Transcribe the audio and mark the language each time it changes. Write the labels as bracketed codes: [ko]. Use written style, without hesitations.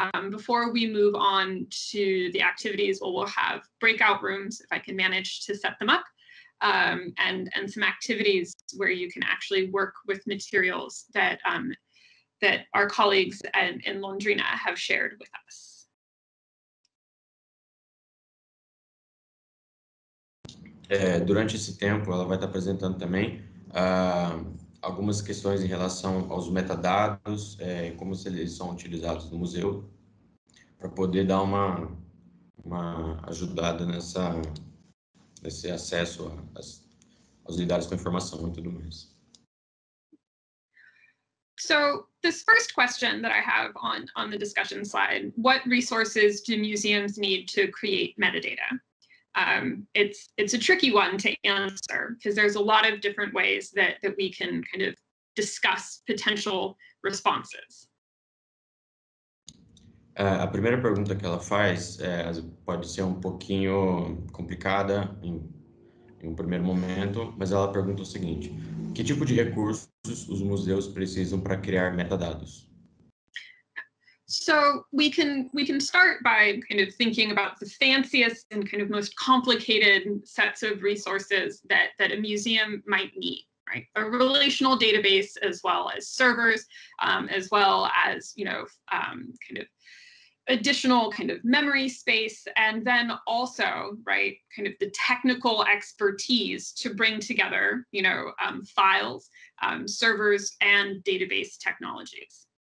[en] Before we move on to the activities, we'll have breakout rooms, if I can manage to set them up, and some activities where you can actually work with materials that that our colleagues in Londrina have shared with us. [pt] Durante esse tempo, ela vai estar apresentando também algumas questões em relação aos metadados, como eles são utilizados no museu, para poder dar uma ajudada nesse acesso aos lidares com informação e tudo mais. [en] So, this first question that I have on the discussion slide, what resources do museums need to create metadata? It's a tricky one to answer, because there's a lot of different ways that we can kind of discuss potential responses. [pt] A primeira pergunta que ela faz pode ser um pouquinho complicada em um primeiro momento, mas ela pergunta o seguinte: que tipo de recursos os museus precisam para criar metadados? [en] So we can start by kind of thinking about the fanciest and kind of most complicated sets of resources that a museum might need. Right, a relational database as well as servers, as well as, you know, kind of additional kind of memory space, and then also, right, kind of the technical expertise to bring together, you know, files, servers, and database technologies.